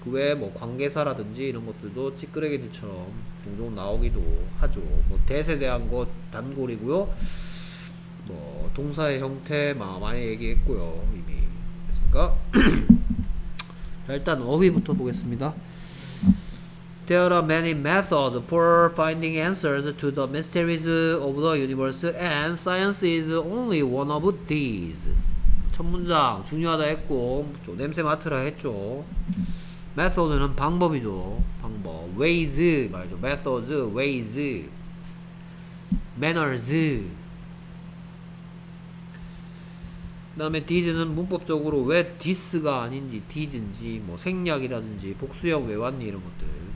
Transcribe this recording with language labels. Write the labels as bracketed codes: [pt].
[ko] 그 외에 뭐 관계사라든지 이런 것들도 찌끄레기들처럼 종종 나오기도 하죠. 뭐 대세 대한 것 단골이고요. 뭐 동사의 형태 많이 얘기했고요. 이미 됐습니까? 자, 일단 어휘부터 보겠습니다. [en] There are many methods for finding answers to the mysteries of the universe and science is only one of these. [ko] 첫 문장 중요하다 했고 좀 냄새 맡으라 했죠. method는 방법이죠. 방법. ways 말이죠. [en] methods, ways, manners. [ko] 그 다음에 these는 문법적으로 왜 this가 아닌지, these인지, 뭐 생략이라든지, 복수형 왜 왔니 이런 것들.